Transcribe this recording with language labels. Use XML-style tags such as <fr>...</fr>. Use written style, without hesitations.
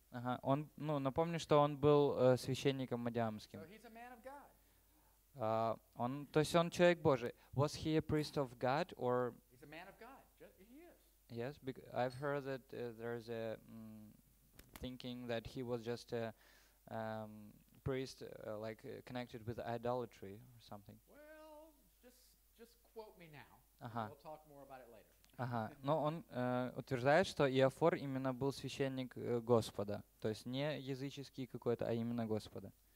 <ru>Ага, он, ну, напомню, что он был священником мадиамским.</ru> <en>So he's a man of God.</en> <ru>Он, то есть он человек Божий.</ru> <en>Was he a priest of God or? He's a man of God. He is. Yes, I've heard that there's a thinking that he was just a priest, like connected with idolatry or something. Well, just quote me now. Uh-huh. We'll talk more about it later.</en> <ru>Ага, но он утверждает, что Иофор именно был священник Господа, то есть не языческий какой-то, а именно Господа.</ru>